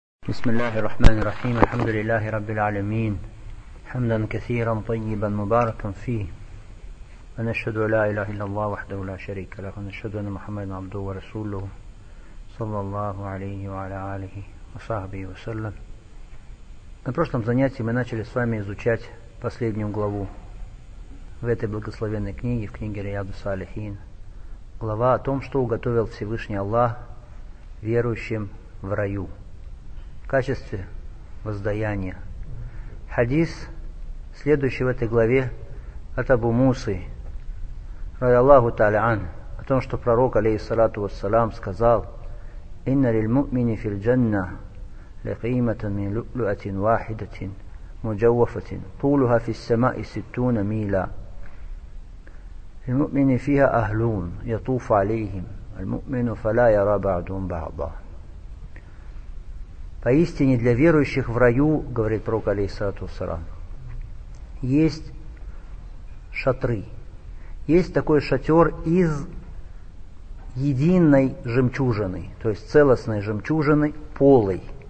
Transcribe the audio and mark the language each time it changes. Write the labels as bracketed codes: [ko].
[ar] بسم الله الرحمن الرحيم الحمد لله رب العالمين حمدا كثيرا طيبا مباركا فيه ونشهد لا إله إلا الله وحده لا شريك له ونشهد أن محمدا عبده ورسوله صلى الله عليه وعلى آله وصحبه وسلم. [ru] На прошлом занятии мы начали с вами изучать последнюю главу в этой благословенной книге, в книге Рияду Салихин. Глава о том, что уготовил Всевышний Аллах верующим в раю в качестве воздаяния. Хадис, следующий в этой главе, от Абу Мусы, ради Аллаху Та'ля'ан, о том, что пророк, алейхиссалату вассалям, сказал: [ar] «Инна лиль му'мини фил джанна лакиматан мин лу'лу'атин вахидатин муджаввафатин тулуха фис сама'и ситтуна миля». المؤمن فيها أهلون يطوف عليهم المؤمن فلا يرى بعضهم بعضا. [ru] Поистине для верующих в раю, говорит пророк алейхиссалату вассалям, есть шатры, есть такой шатер из единой жемчужины, то есть целостной жемчужины, полой.